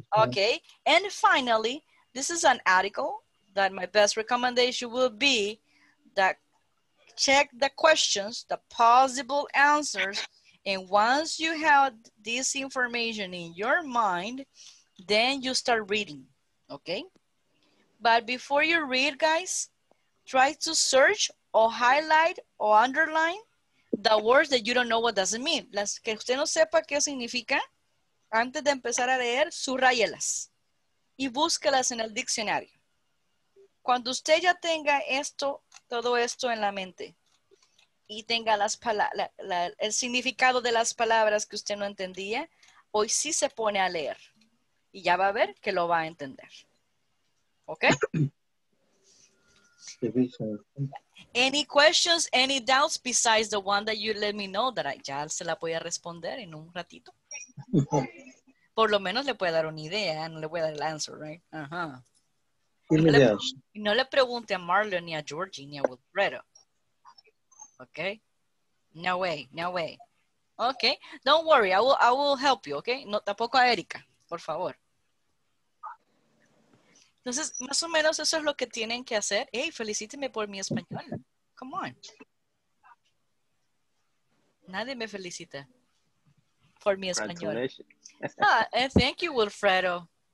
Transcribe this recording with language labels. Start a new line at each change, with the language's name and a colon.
English: Okay, and finally, this is an article that my best recommendation will be that check the questions, the possible answers, and once you have this information in your mind, then you start reading, okay? But before you read, guys, try to search or highlight or underline the words that you don't know what does it mean.
Spanish: Las que usted no sepa qué significa, antes de empezar a leer, subrayelas y búsquelas en el diccionario. Cuando usted ya tenga esto, todo esto en la mente y tenga las el significado de las palabras que usted no entendía, hoy sí se pone a leer y ya va a ver que lo va a entender. ¿Ok?
English: Any questions, any doubts besides the one that you let me know that
Spanish: ya se la voy a responder en un ratito? Por lo menos le puede dar una idea, no le voy a dar el answer, right? Ajá. Y no le pregunte a Marlon ni a Georgie ni a Wilfredo. Okay?
English: No way, no way. Okay, don't worry, I will help you, okay?
Spanish: No, tampoco a Erika, por favor. Entonces, más o menos eso es lo que tienen que hacer.
English: Hey,
Spanish: felicíteme por mi español.
English: Come on.
Spanish: Nadie me felicita por mi español.
English: Thank you, Wilfredo.